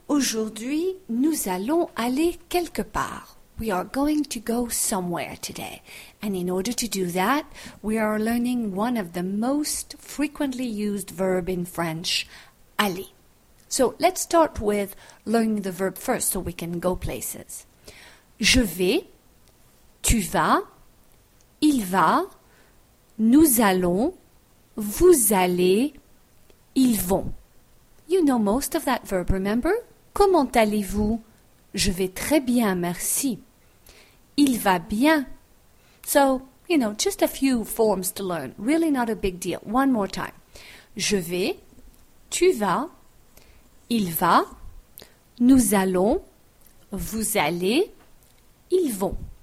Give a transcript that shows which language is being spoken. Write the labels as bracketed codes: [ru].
[fr] Aujourd'hui, nous allons aller quelque part. [en] We are going to go somewhere today. And in order to do that, we are learning one of the most frequently used verb in French, aller. So let's start with learning the verb first so we can go places. [fr] Je vais, tu vas, il va, nous allons, vous allez, ils vont. [en] You know most of that verb, remember? [fr] Comment allez-vous? Je vais très bien, merci. Il va bien. [en] So, you know, just a few forms to learn. Really not a big deal. One more time. [fr] Je vais, tu vas, il va, nous allons, vous allez, ils vont.